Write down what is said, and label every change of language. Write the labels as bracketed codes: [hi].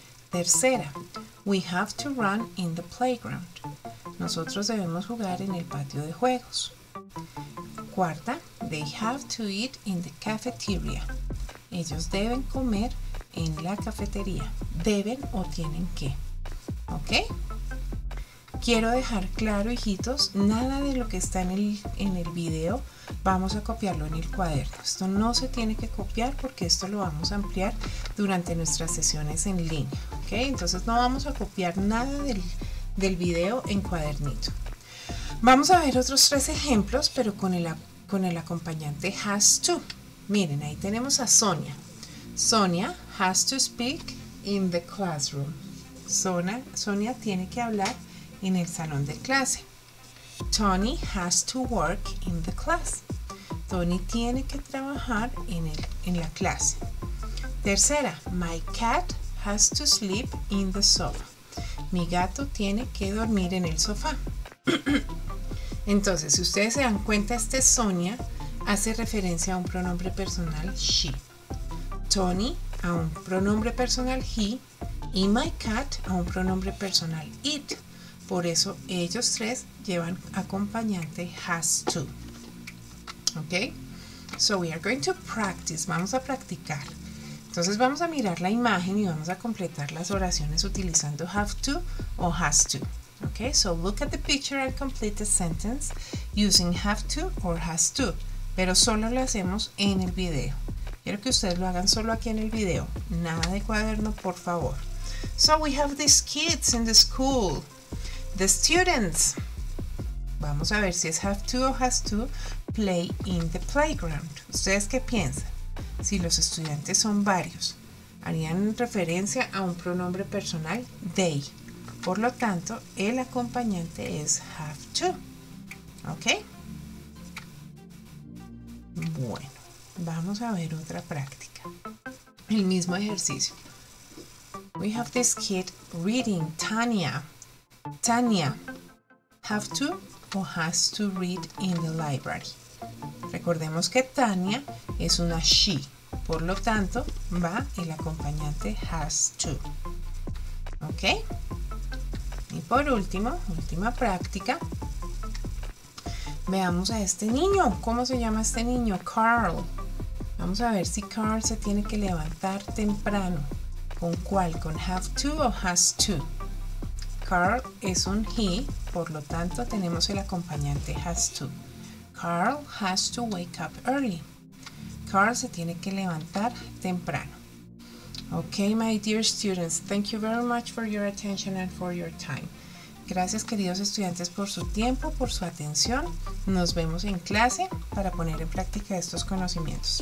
[en] Tercera, we have to run in the playground. [es] Nosotros debemos jugar en el patio de juegos. [en] Cuarta, they have to eat in the cafeteria. [es] Ellos deben comer en la cafetería. Deben o tienen que. ¿Ok? Quiero dejar claro, hijitos, nada de lo que está en el video vamos a copiarlo en el cuaderno. Esto no se tiene que copiar porque esto lo vamos a ampliar durante nuestras sesiones en línea. ¿Okay? Entonces no vamos a copiar nada del video en cuadernito. Vamos a ver otros tres ejemplos, pero con el acompañante has to. Miren, ahí tenemos a Sonia. [en] Sonia has to speak in the classroom. [es] Sonia tiene que hablar en el salón de clase. [en] Tony has to work in the class. [es] Tony tiene que trabajar en la clase. [en] Tercera, my cat has to sleep in the sofa. [es] Mi gato tiene que dormir en el sofá. Entonces, si ustedes se dan cuenta, este Sonia hace referencia a un pronombre personal she. Tony a un pronombre personal he y my cat a un pronombre personal it. Por eso ellos tres llevan acompañante has to. [en] Ok, so we are going to practice. [es] Vamos a practicar. Entonces vamos a mirar la imagen y vamos a completar las oraciones utilizando have to o has to. [en] Ok, so look at the picture and complete the sentence using have to or has to. [es] Pero solo lo hacemos en el video. Quiero que ustedes lo hagan solo aquí en el video. Nada de cuaderno, por favor. [en] So we have these kids in the school. The students. [es] Vamos a ver si es have to o has to play in the playground. ¿Ustedes qué piensan? Si los estudiantes son varios, harían referencia a un pronombre personal, they. Por lo tanto, el acompañante es have to. ¿Ok? Bueno, vamos a ver otra práctica. El mismo ejercicio. [en] We have this kid reading, Tania. Tania, have to o has to read in the library. [es] Recordemos que Tania es una she. Por lo tanto, va el acompañante has to. ¿Ok? Y por último, última práctica. Veamos a este niño. ¿Cómo se llama este niño? Carl. Vamos a ver si Carl se tiene que levantar temprano. ¿Con cuál? ¿Con have to o has to? Carl es un he. Por lo tanto, tenemos el acompañante has to. [en] Carl has to wake up early. [es] Carl se tiene que levantar temprano. [en] Okay, my dear students, thank you very much for your attention and for your time. [es] Gracias, queridos estudiantes, por su tiempo, por su atención. Nos vemos en clase para poner en práctica estos conocimientos.